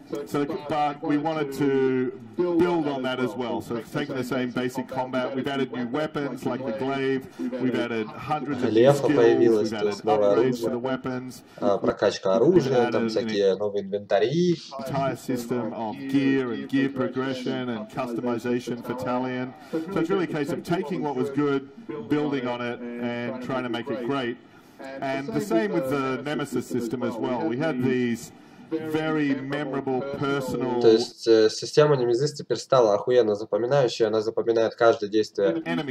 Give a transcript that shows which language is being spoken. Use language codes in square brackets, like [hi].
[en] So, but we wanted to build on that as well. So, taking the same basic combat, we've added new weapons like the glaive. We've added hundreds of new skills. We've added upgrades to the weapons. [ru] Прокачка оружия, там всякие новые инвентари. [en] Entire system of gear and gear progression and customization for Talion. So it's really a case of taking what was good, building on it, and trying to make it great. And the same with the Nemesis system as well. We had these. Very memorable, personal... [ru] То есть система Nemesis теперь стала охуенно запоминающей, она запоминает каждое действие.